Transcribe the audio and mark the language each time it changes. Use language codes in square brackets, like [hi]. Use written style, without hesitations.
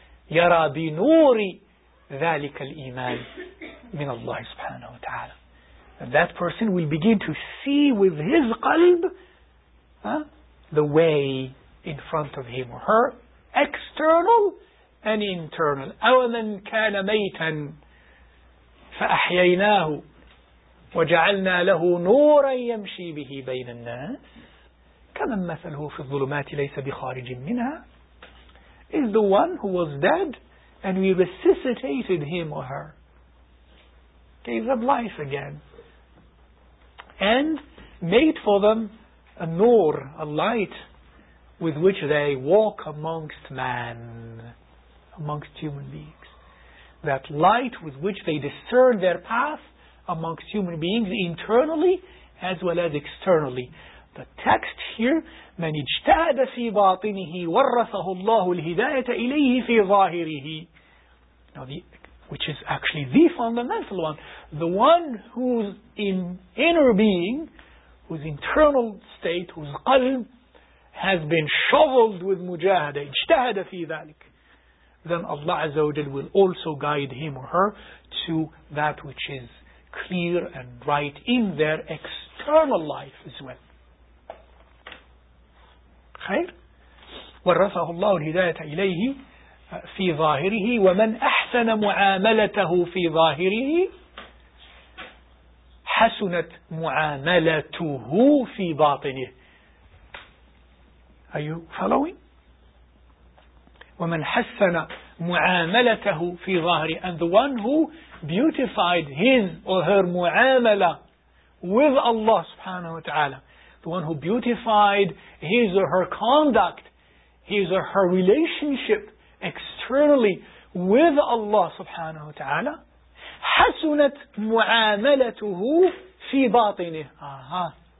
[ar] يرى بنور ذلك الإيمان من الله سبحانه وتعالى. [en] That person will begin to see with his قلب the way in front of him or her, external and internal. [ar] أَوَمَنْ كَانَ مَيْتًا فَأَحْيَيْنَاهُ وَجَعَلْنَا لَهُ نُورًا يَمْشِي بِهِ بَيْنَ النَّاسِ كَمَنْ مَثَلْهُ فِي الظُّلُمَاتِ لَيْسَ بِخَارِجٍ مِّنْهَا. [en] Is the one who was dead and we resuscitated him or her, gave them life again and made for them a nur, a light with which they walk amongst man, amongst human beings, that light with which they discern their path amongst human beings internally as well as externally. The text here, [ar] من اجتهد في باطنه ورثه الله الهداية إليه في ظاهره. [en] Now which is actually the fundamental one. The one who's in inner being, whose internal state, whose qalb has been shoveled with mujahada, [ar] اجتهد في ذلك. [en] Then Allah Azza wa Jal will also guide him or her to that which is clear and right in their external life as well. [ar] خير. ورثه الله الهداية إليه في ظاهره ومن أحسن معاملته في ظاهره حسنت معاملته في باطنه. [en] Are you following? [ar] ومن حسن معاملته في ظاهره, [en] and the one who beautified his or her معاملة with Allah subhanahu wa ta'ala, the one who beautified his or her conduct, his or her relationship externally with Allah subhanahu wa ta'ala, [ar] حسنت معاملته في باطنه. [en] Aha.